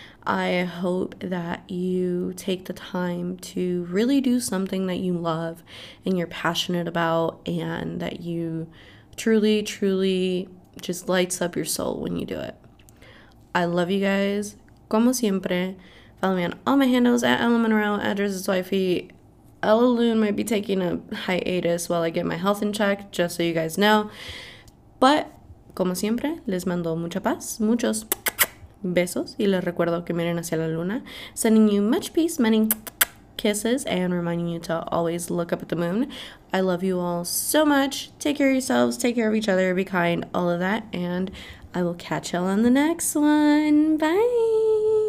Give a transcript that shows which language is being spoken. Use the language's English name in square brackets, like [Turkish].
[English] I hope that you take the time to really do something that you love and you're passionate about, and that you truly, truly just lights up your soul when you do it. I love you guys. [Spanish] Como siempre, [English] follow me on all my handles at Ella Monroe, address is wifey. Ella Loon might be taking a hiatus while I get my health in check, just so you guys know. But, [Spanish] como siempre, les mando mucha paz, muchos besos, y les recuerdo que miren hacia la luna. [English] Sending you much peace, many kisses, and reminding you to always look up at the moon. I love you all so much. Take care of yourselves, take care of each other, be kind, all of that, and I will catch y'all on the next one. Bye!